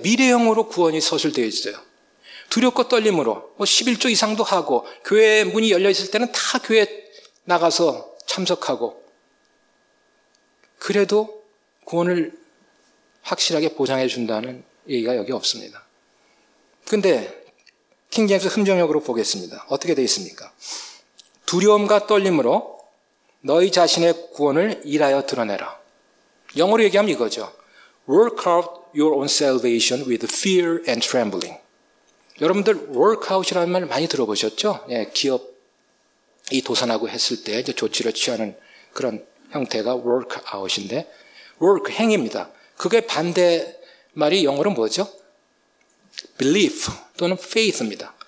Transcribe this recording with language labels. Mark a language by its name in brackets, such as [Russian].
[Korean] 미래형으로 구원이 서술되어 있어요. 두렵고 떨림으로 뭐 11조 이상도 하고 교회 문이 열려있을 때는 다 교회 나가서 참석하고 그래도 구원을 확실하게 보장해 준다는 얘기가 여기 없습니다. 그런데 킹제임스 흠정역으로 보겠습니다. 어떻게 되어 있습니까? 두려움과 떨림으로 너희 자신의 구원을 일하여 드러내라. 영어로 얘기하면 이거죠. [English] Work out your own salvation with fear and trembling. [Korean] 여러분들 work out이라는 말 많이 들어보셨죠? 예, 기업이 도산하고 했을 때 이제 조치를 취하는 그런 형태가 work out인데 work, 행위입니다. 그게 반대말이 영어로 뭐죠? belief 또는 faith입니다.